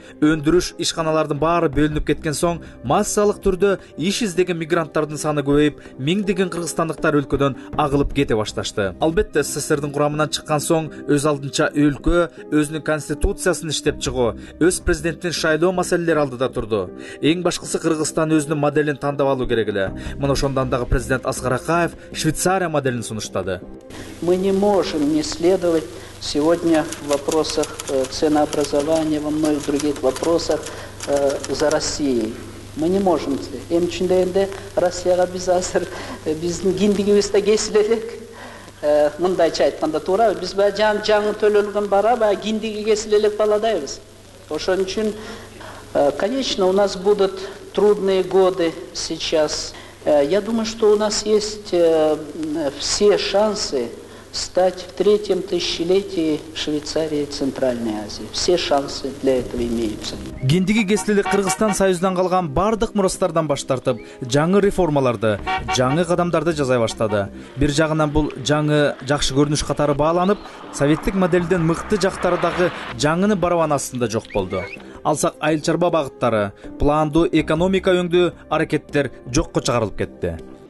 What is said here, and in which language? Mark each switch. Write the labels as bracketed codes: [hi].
[ky] Өндүрүш ишканалардын баары бөлүнүп кеткен соң, массалык түрдө иш издеген мигранттардын саны көбөйүп, миңдеген кыргызстандыктар өлкөдөн агылып кете башташты. Албетте, СССРдин курамынан чыккан соң, өз алдынча өлкө өзүнүн конституциясын иштеп чыгуу, өз президенттин шайлоо маселелери алдыда турду. Эң башкысы Кыргызстан өзүнүн моделин тандап алуу керек эле. Мына ошондон дагы президент Аскар Акаев Швейцария моделин сунуштады. [ru] Мы не можем не следовать сегодня в вопросах ценообразования, во многих других вопросах за Россией. Мы не можем. [ky] Эми чындайында Россияга биз азыр биздин киндигибизде кесип элек. Мындайча айтканда туура, биз баягы жаңы төлөлгөн бара, баягы киндиги кесип элек баладайбыз. Ошон үчүн [ru] конечно, у нас будут трудные годы сейчас. Я думаю, что у нас есть все шансы стать в третьем тысячелетии Швейцарии Центральной Азии. Все шансы для этого имеются. [ky] Кендиги кесилели Кыргызстан союздан калган бардык мурастардан баш тартып, жаңы реформаларды, жаңы кадамдарды жасай баштады. Бир жагынан бул жаңы жакшы көрүнүш катары бааланып, советтик моделден мыкты жактары дагы жаңыны барабанасында жок болду. Алсак айыл чарба багыттары, пландуу экономика өңдүү аракеттер жокко чыгарылып кетти.